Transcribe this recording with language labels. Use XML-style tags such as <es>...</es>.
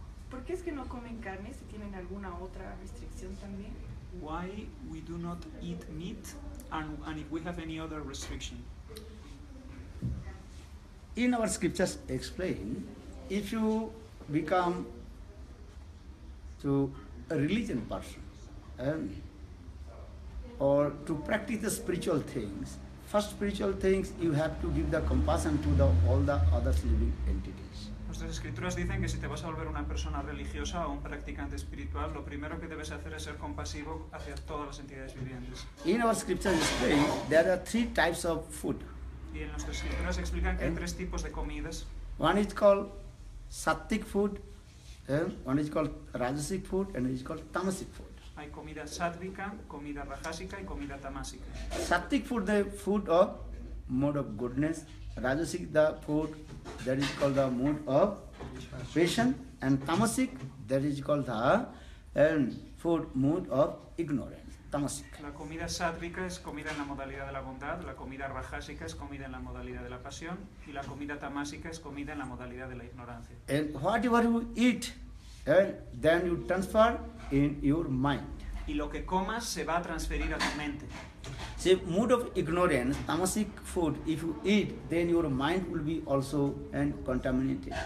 <es>¿Por qué es que no comen carne si tienen alguna otra restricción también?</es> <en>Why we do not eat meat and if we have any other restriction? In our scriptures explain, if you become to a religion person or to practice the spiritual things, first spiritual things you have to give the compassion to the all the other living entities.</en> <es>Nuestras escrituras dicen que si te vas a volver una persona religiosa o un practicante espiritual, lo primero que debes hacer es ser compasivo hacia todas las entidades vivientes.</es> <en>In our scriptures explain there are three types of food.</en> <es>Y en nuestras escrituras explican que hay tres tipos de comidas.</es> <en>One is called sattvic food, one is called rajasic food, and one is called tamasic food.</en> <es>Hay comida sattvica, comida rajasica y comida tamasica.</es> <en>Sattvic food, the food of mode of goodness. Rajasic, the food that is called the mood of passion, and tamasic, that is called the food mood of ignorance. Tamasic.</en> <es>La comida sattvica es comida en la modalidad de la bondad, la comida rajasica es comida en la modalidad de la pasión, y la comida tamasica es comida en la modalidad de la ignorancia.</es> <en>And whatever you eat, then you transfer in your mind.</en> <es>Y lo que comas se va a transferir a tu mente.</es> <en>See, mood of ignorance, tamasic food, if you eat, then your mind will be also contaminated.</en>